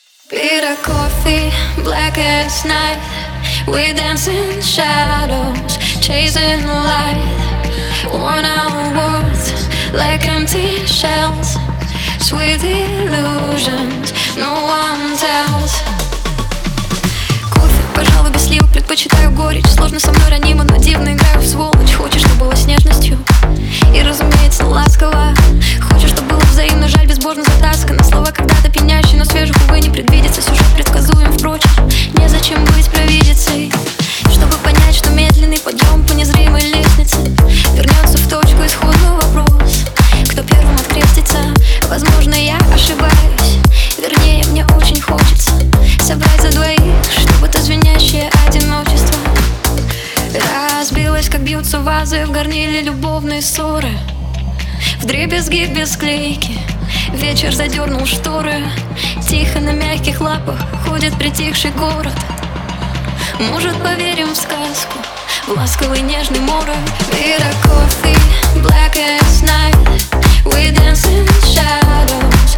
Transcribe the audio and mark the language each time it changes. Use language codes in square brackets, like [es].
[en] Bitter coffee, black as night. We dance in shadows, chasing light. Worn out words like empty shells. Sweet illusions, no one tells. [ru] Пожалуй, без сливок предпочитаю горечь. Сложно со мной ранимо, но дивно играю в сволочь. Хочешь, чтобы было с нежностью и, разумеется, ласково. Хочешь, чтобы было взаимно, жаль, безбожно затаскано. Слова когда-то пьянящие, но свежих, увы, не предвидится. Сюжет предсказуем, впрочем, незачем быть провидицей. Чтобы понять, что медленный подъем по незримой лестнице вернется в точку исходный вопрос. Кто первым открестится? Возможно, я ошибаюсь. Вернее, мне очень хочется собрать за двоих, чтобы то звенящее одиночество разбилось, как бьются вазы в горниле любовной ссоры. Вдребезги без склейки вечер задернул шторы. Тихо на мягких лапах ходит притихший город. Может, поверим в сказку, в ласковый нежный морок. [en] Bitter coffee, black as night. We dance in shadows.